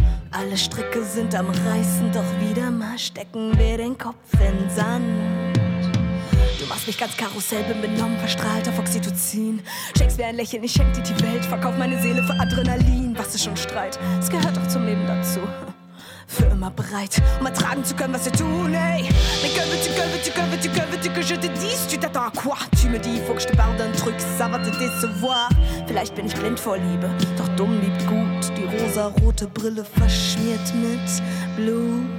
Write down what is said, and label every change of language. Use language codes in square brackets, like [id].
[de] Alle Stricke sind am Reißen, doch wieder mal stecken wir den Kopf in Sand. Du machst mich ganz Karussell, bin benommen, verstrahlt auf Oxytocin. Schenkst mir ein Lächeln, ich schenk dir die Welt, verkauf meine Seele für Adrenalin. Was ist schon Streit? Es gehört auch zum Leben dazu. Für immer bereit, um ertragen zu können, was wir tun, ey. [fr] Mais que veux-tu, que veux-tu, que veux-tu, que veux-tu, que je te dise, tu t'attends à quoi? Tu me dis, faut que je te parle d'un truc, ça va te décevoir. [de] Vielleicht bin ich blind vor Liebe, doch dumm liebt gut. Die rosa-rote Brille verschmiert mit Blut.